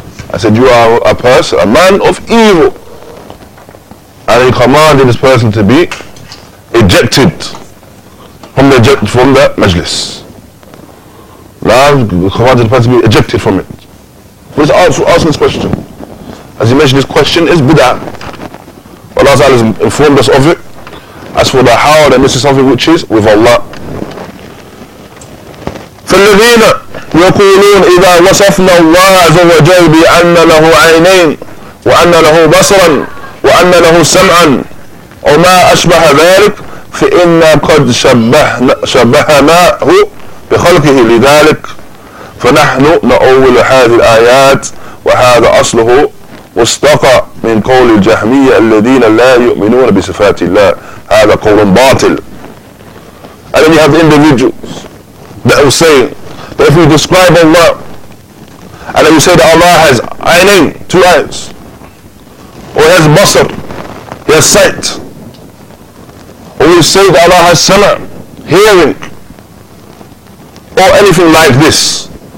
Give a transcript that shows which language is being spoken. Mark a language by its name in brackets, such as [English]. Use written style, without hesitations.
[English] I said, you are a person, a man of evil. And he commanded this person to be ejected from the majlis. Now he commanded the person to be ejected from it. But he's asking this question. As he mentioned, this question is bid'ah. Allah Ta'ala has informed us of it. As for the how, that this is something which is with Allah. [Arabic] فالذين يقولون إذا وصفنا الله عز وجل بأن له عينين وأن له بصرا وأن له سمعا وما أشبه ذلك فإنا قد شبهناه بخلقه لذلك فنحن نؤول هذه الآيات وهذا أصله مستقى من قول الجهمية الذين لا يؤمنون بصفات الله هذا قول باطل. [English] And then you have the individuals that will say that if we describe Allah and then you say that Allah has aynain, two eyes, or he has basr, he has sight, or we say that Allah has sam'a, hearing, or anything like this.